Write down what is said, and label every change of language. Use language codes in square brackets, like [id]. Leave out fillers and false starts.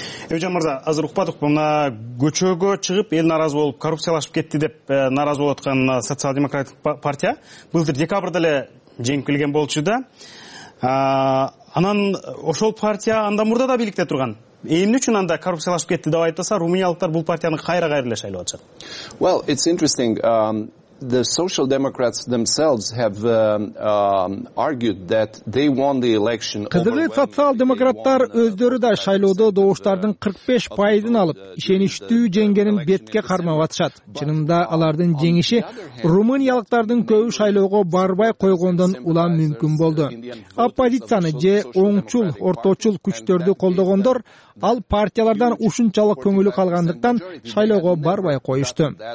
[ky] Эжен мырза, азыр укпадыкпы, мына көчөгө чыгып эл нааразы болуп коррупциялашып кетти деп нааразы болуп аткан социал-демократтык партия былтыр декабрда эле жеңилген болчу да. Анан ошол партия андан мурда да бийликте турган. Эмне үчүн анда коррупциялашып кетти деп айтса, румыниялыктар бул партияны кайра-кайра эле шайлап атышат? [en] Well, it's interesting. The social democrats themselves have argued that they won the election. [ky] Кызыгы, социал демократтар өздөрү да шайлоодо добуштардын 45% алып, ишеничтүү жеңгенин бетке кармап атышат. Чынында алардын жеңиши румыниялыктардын көбү шайлоого барбай койгондон улам мүмкүн болду. Оппозицияны же оңчул, орточул күчтөрдү колдогондор ал партиялардан ушунчалык көңүлү калгандыктан шайлоого барбай коюшту.